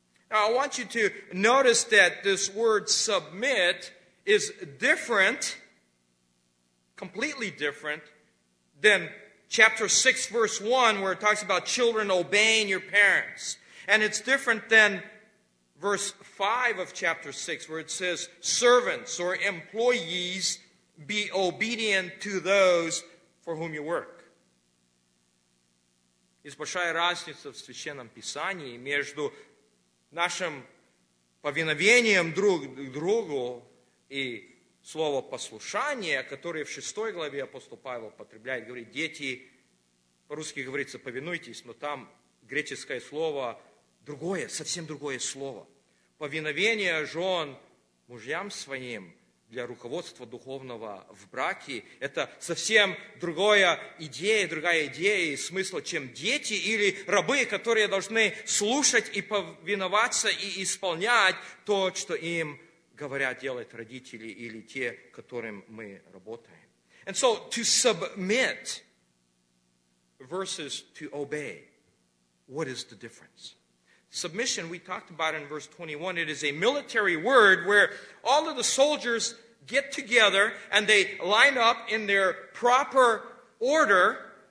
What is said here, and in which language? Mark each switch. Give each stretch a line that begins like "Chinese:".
English: Now, I want you to notice that this word submit is different, completely different, than chapter 6, verse 1, where it talks about children obeying your parents. And it's different than verse 5 of chapter 6, where it says, servants or employees, be obedient to those for whom you work.
Russian: Есть большая разница в Священном Писании между нашим повиновением друг к другу и слово послушание, которое в 6 главе апостол Павел употребляет, говорит, дети, по-русски говорится, повинуйтесь, но там греческое слово другое, совсем другое слово. Повиновение жен мужьям своим, для руководства духовного в браке, это совсем другая идея, и смысл, чем дети или рабы, которые должны слушать и повиноваться и исполнять то, что им говорят делать родители или те, которым мы работаем.
English: And so, to submit versus to obey, what is the difference? Submission, we talked about in verse 21, it is a military word where all of the soldiers get together and they line up in their proper order.